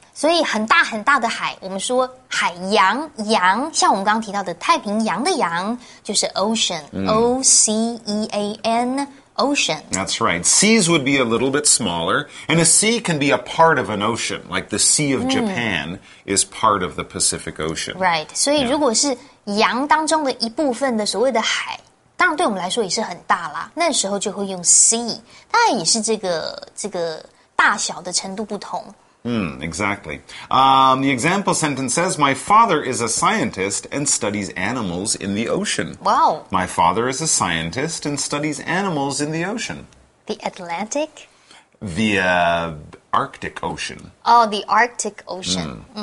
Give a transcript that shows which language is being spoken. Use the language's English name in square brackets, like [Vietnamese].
[Chinese] 所以很大很大的海，我们说海洋，洋，像我们刚刚提到的太平洋的洋，就是 [English] ocean, O-C-E-A-N, ocean. That's right. Seas would be a little bit smaller, and a sea can be a part of an ocean, like the Sea of Japan is part of the Pacific Ocean. Right. [Chinese] 所以如果是洋当中的一部分的所谓的海，当然对我们来说也是很大啦，那时候就会用 sea, 当然也是这个大小的程度不同。 [English] Exactly. The example sentence says, My father is a scientist and studies animals in the ocean. Wow. My father is a scientist and studies animals in the ocean. The Atlantic? The Arctic Ocean. Oh, the Arctic Ocean.